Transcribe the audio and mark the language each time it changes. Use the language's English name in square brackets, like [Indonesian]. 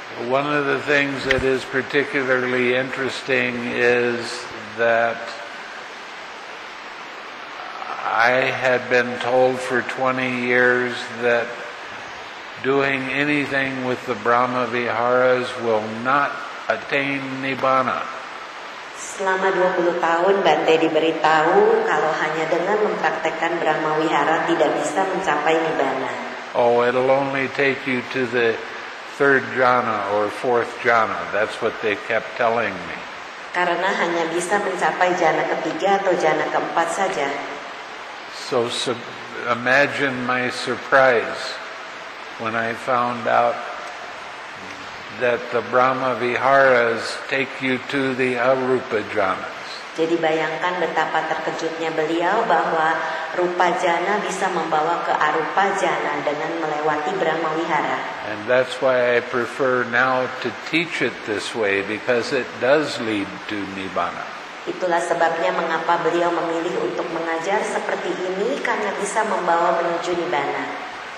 [English] One of the things that is particularly interesting is that I had been told for 20 years that doing anything with the Brahma Viharas will not attain Nibbana. [Indonesian] Selama 20 tahun Bante diberitahu kalau hanya dengan mempraktekkan Brahma Vihara tidak bisa mencapai Nibbana. [English] Oh, it'll only take you to the third jhana or fourth jhana. That's what they kept telling me. [Indonesian] Karena hanya bisa mencapai jhana ketiga atau jhana keempat saja. [English] So imagine my surprise when I found out that the Brahma Viharas take you to the Arupa Jhanas. [Indonesian] Jadi bayangkan betapa terkejutnya beliau bahwa Rupa Jhana bisa membawa ke Arupa Jhana dengan melewati Brahma Vihara. [English] And that's why I prefer now to teach it this way, because it does lead to Nibbana. [Indonesian] Itulah sebabnya mengapa beliau memilih untuk mengajar seperti ini, karena bisa membawa menuju Nibbana.